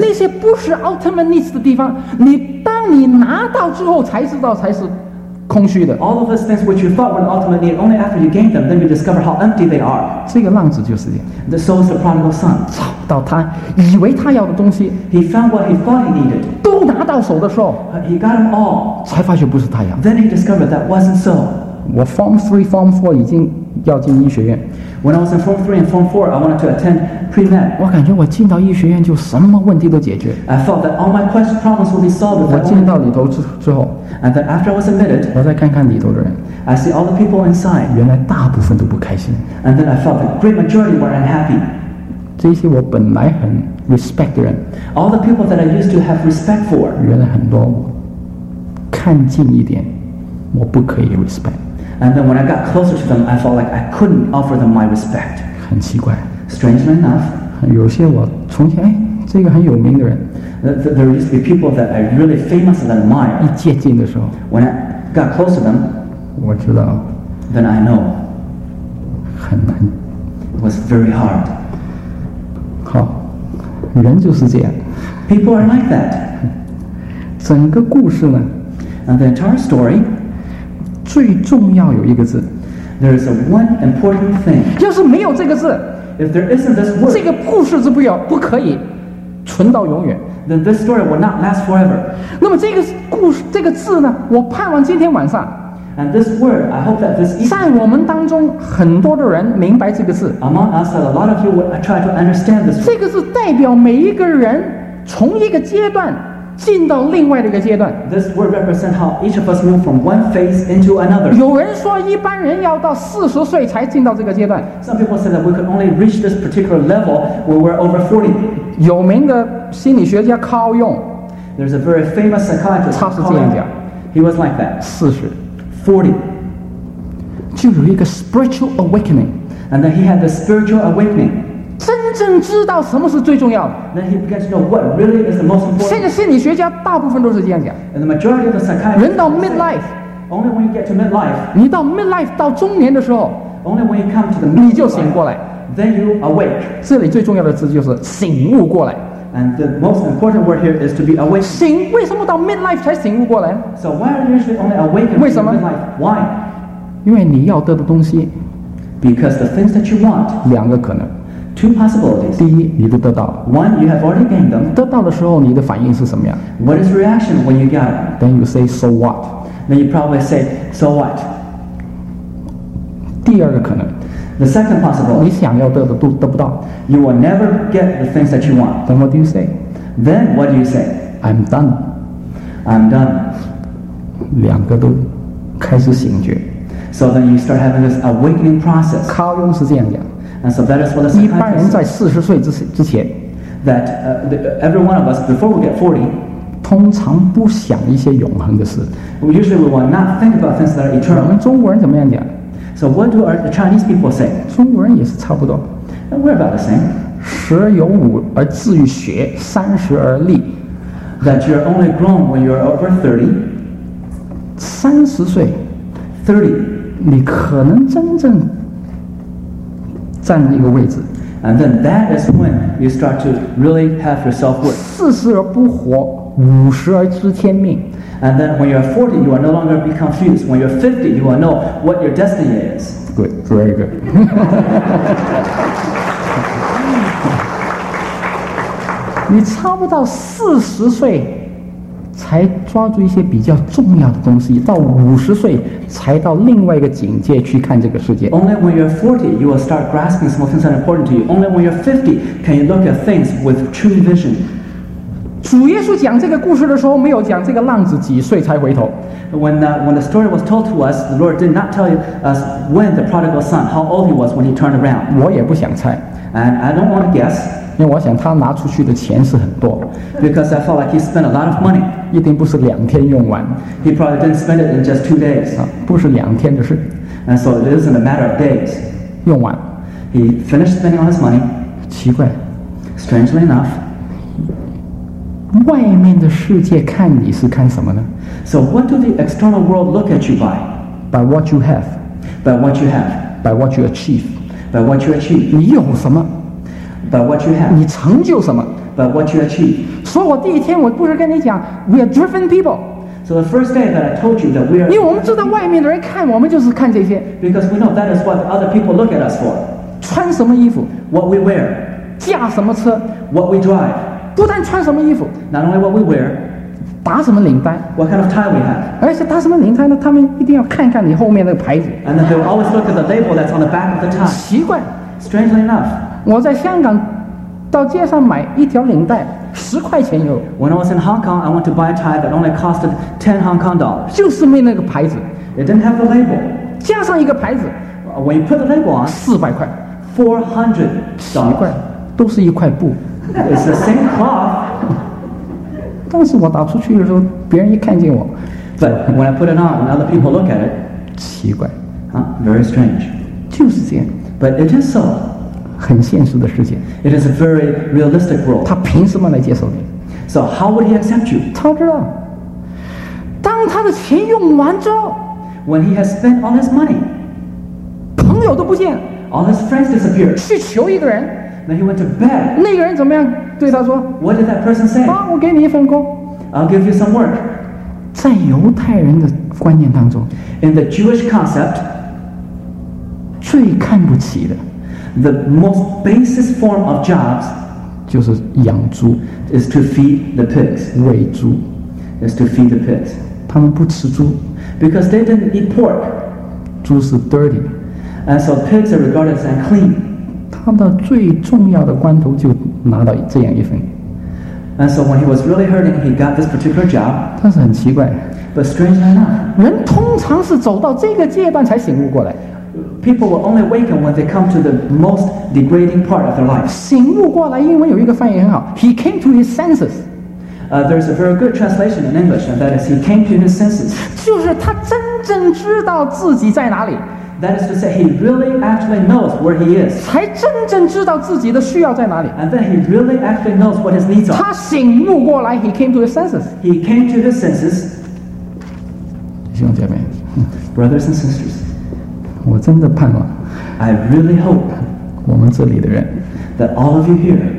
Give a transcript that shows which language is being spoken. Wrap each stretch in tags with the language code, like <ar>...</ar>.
<zh>那些不是</zh> <en>ultimate needs</en> <zh>的地方你当你拿到之后才知道才是空虚的。</zh> <en>All of those things which you thought were ultimate need, only after you gained them, then you discover how empty they are.</en> <zh>这个浪子就是这样。</zh> <en>The soul is the prodigal son.</en> <zh>找到他以为他要的东西。</zh> <en>He found what he thought he needed.</en> <zh>都拿到手的时候。</zh> <en>He got them all.</en> <zh>才发现不是他要。</zh> <en>Then he discovered that wasn't so.</en> <zh>我 Form 3 Form 4已经要进医学院。</zh> <en>When I was in Form 3 and Form 4, I wanted to attend pre-med.</en> <zh>我感觉我进到医学院就什么问题都解决。</zh> <en>I felt that all my question problems would be solved.</en> <zh>我进到里头之后。</zh> <en>And that after I was admitted.</en> <zh>我再看看里头的人。</zh> <en>I see all the people inside.</en> <zh>原来大部分都不开心。</zh> <en>And then I felt the great majority were unhappy.</en> <zh>这些我本来很 respect 的人。</zh> <en>All the people that I used to have respect for.</en> <zh>原来很多看近一点我不可以 respect.</zh> <en>And then when I got closer to them, I felt like I couldn't offer them my respect.</en> <zh>很奇怪。</zh> <en>Strangely enough,</en> <zh>有些我从前，哎，这个很有名的人。</zh> <en>There used to be people that I really famous and admire.</en> <zh>一接近的时候。</zh> <en>When I got close to them,</en> <zh>我知道。</zh> <en>Then I know.</en> <zh>很难。</zh> <en>It was very hard.</en> <zh>好，人就是这样。</zh> <en>People are like that.</en> <zh>整个故事呢</zh> <en>？And the entire story.</en> <zh>最重要有一个字</zh> <en>There is a one important thing.</en> <zh>要是没有这个字</zh> <en>If there isn't this word,</en> <zh>这个故事是不可以存到永远</zh> <en>Then this story will not last forever.</en> <zh>那么这个故事这个字呢我盼望今天晚上</zh> <en>And this word, I hope that this evening,</en> <zh>在我们当中很多的人明白这个字</zh> <en>Among us, a lot of you would try to understand this word.</en> <zh>这个字代表每一个人从一个阶段进到另外的一个阶段。</zh> <en>This word represents how each of us move from one phase into another.</en> <zh>有人说一般人要到四十岁才进到这个阶段。</zh> <en>Some people say that we could only reach this particular level when we're over 40.</en> <zh>有名的心理学家 Carl Jung.</zh> <en>There's a very famous psychiatrist.</en> <zh>他是这样讲。</zh> <en>He was like that.</en> <zh>四十。</zh> <en>40.</en> <zh>就有一个</zh> <en>spiritual awakening. And then he had the spiritual awakening.</en> <zh>真正知道什么是最重要的。</zh> <en>Then he begins to know what really is the most important.</en> <zh>现在心理学家大部分都是这样讲。</zh> <en>And the majority of the psychiatrists.</en> <zh>人到 midlife.</zh> <en>Only when you get to midlife.</en> <zh>你到 midlife 到中年的时候。</zh> <en>Only when you come to the</en> <zh>midlife. 你就醒过来。</zh> <en>Then you awake.</en> <zh>这里最重要的字就是醒悟过来。</zh> <en>And the most important word here is to be awake.</en> <zh>醒，为什么到 midlife 才醒悟过来？</zh> <en>So why are you usually only awake?</en> <zh>为什么？</zh> <en>Why?</en> <zh>因为你要得的东西。</zh> <en>Because the things that you want.</en> <zh>两个可能。</zh> <en>Two possibilities.</en> <zh>第一，你都得到了。</zh> <en>One, you have already gained them.</en> <zh>得到的时候，你的反应是什么样</zh> <en>？What is reaction when you got it? Then you say, "So what?" Then you probably say, "So what?"</en> <zh>第二个可能。</zh> <en>The second possibility.</en> <zh>你想要得都得不到。</zh> <en>You will never get the things that you want. Then what do you say? Then what do you say? I'm done. I'm done.</en> <zh>两个都开始醒觉。</zh> <en>So then you start having this awakening process.</en> <zh>Carl Jung 是这样讲。</zh> <en>And so that is what the psychiatrist said.</en> <zh>一般人在四十岁之前</zh> <en>that every one of us before we get 40,</en> <zh>通常不想一些永恒的事。</zh> <en>Usually we will not think about things that are eternal.</en> <zh>我们中国人怎么样讲</zh> <en>？So what do our Chinese people say?</en> <zh>中国人也是差不多。</zh> <en>And we're about the same.</en> <zh>十有五而志于学，三十而立。</zh> <en>That you're only grown when you're over 30.</en> <zh>三十岁</zh> <en>，30,</en> <zh>你可能真正。站那个位置</zh> <en>，and then that is when you start to really have your self worth.</en> <zh>四十而不惑，五十而知天命。</zh> <en>And then when you are 40, you are no longer be confused. When you are 50, you will know what your destiny is. Good, very good.</en> <zh>你差不到四十岁，才抓住一些比较重要的东西，到五十岁。才到另外一个境界去看这个世界。</zh> <en>Only when you're 40, you will start grasping small things that are important to you. Only when you're 50, can you look at things with true vision.</en> <zh>主耶稣讲这个故事的时候，没有讲这个浪子几岁才回头。</zh> <en>When the story was told to us, the Lord did not tell us when the prodigal son, how old he was when he turned around.</en> <zh>我也不想猜。</zh> <en>And I don't want to guess.</en> <zh>因为我想他拿出去的钱是很多。</zh> <en>Because I felt like he spent a lot of money.</en> <zh>一定不是两天用完。</zh> <en>He probably didn't spend it in just 2 days.</en> <zh>不是两天的事。</zh> <en>And so it isn't a matter of days.</en> <zh>用完。</zh> <en>He finished spending all his money.</en> <zh>奇怪。</zh> <en>Strangely enough.</en> <zh>外面的世界看你是看什么呢</zh> <en>？So what do the external world look at you by? By what you have. By what you have. By what you achieve. By what you achieve.</en> <zh>你有什么</zh> <en>？By what you have.</en> <zh>你成就什么</zh> <en>？By what you achieve.</en> <zh>所以我第一天我不是跟你讲 ，</zh> <en>we are driven people. So the first day that I told you that we are.</en> <zh>因为我们知道外面的人看我们就是看这些。</zh> <en>Because we know that is what other people look at us for.</en> <zh>穿什么衣服</zh> <en>？What we wear.</en> <zh>驾什么车</zh> <en>？What we drive.</en> <zh>不但穿什么衣服</zh> <en>，Not only what we wear，</en> <zh>打什么领带</zh> <en>，What kind of tie we have，</en> <zh>而且打什么领带呢？他们一定要看看你后面那个牌子</zh> <en>，And they will always look at the label that's on the back of the tie。</en> <zh>奇怪</zh> <en>，Strangely enough，</en> <zh>我在香港到街上买一条领带10块钱有。</zh> <en>When I was in Hong Kong， I want to buy a tie that only costed $10 Hong Kong dollars，</en> <zh>就是没那个牌子</zh> <en>，It didn't have the label，</en> <zh>加上一个牌子</zh> <en>，When you put the label on，</en> <zh>400块</zh> <en>$400，</en> <zh>奇怪，都是一块布。</zh> <en>It's the same cloth.</en> <zh>但是我打出去的时候，别人一看见我</zh> <en>，But when I put it on, other people look at it.</en> <zh>奇怪</zh> <en>very strange.</en> <zh>就是这样</zh> <en>，But it is so.</en> <zh>很现实的世界</zh> <en>，It is a very realistic world.</en> <zh>他凭什么来接受你</zh> <en>？So how would he accept you?</en> <zh>他知道，当他的钱用完之后</zh> <en>，When he has spent all his money,</en> <zh>朋友都不见</zh> <en>，All his friends disappear.</en> <zh>去求一个人。</zh> <en>Then he went to bed.</en> <zh>那个人怎么样对他说</zh> <en>？What did that person say？</en> <zh>啊，我给你一份工。</zh> <en>I'll give you some work.</en> <zh>在犹太人的观念当中</zh> <en>，In the Jewish concept，</en> <zh>最看不起的</zh> <en>，The most basest form of jobs，</en> <zh>就是养猪</zh> <en>，is to feed the pigs，</en> <zh>喂猪</zh> <en>，is to feed the pigs。</en> <zh>他们不吃猪</zh> <en>，because they didn't eat pork。</en> <zh>猪是 dirty，</zh> <en>and so pigs are regarded as unclean。</en> <zh>他到最重要的关头就拿到这样一份。</zh> <en>And so when he was really hurting, he got this particular job.</en> <zh>但是很奇怪。</zh> <en>But strangely enough,</en> <zh>人通常是走到这个阶段才醒悟过来。</zh> <en>People will only awaken when they come to the most degrading part of their life.</en> <zh>醒悟过来，英文有一个翻译很好。</zh> <en>He came to his senses. There's a very good translation in English, and that is he came to his senses.</en> <zh>就是他真正知道自己在哪里。</zh> <en>That is to say, he really actually knows where he is.</en> <zh>才真正知道自己的需要在哪里。</zh> <en>And then he really actually knows what his needs are.</en> <zh>他醒悟过来</zh> <en>，he came to his senses. He came to his senses.</en> <zh>弟兄姐妹</zh> <en>，brothers and sisters，</en> <zh>我真的盼望</zh> <en>，I really hope，</en> <zh>我们这里的人</zh> <en>，that all of you here，</en>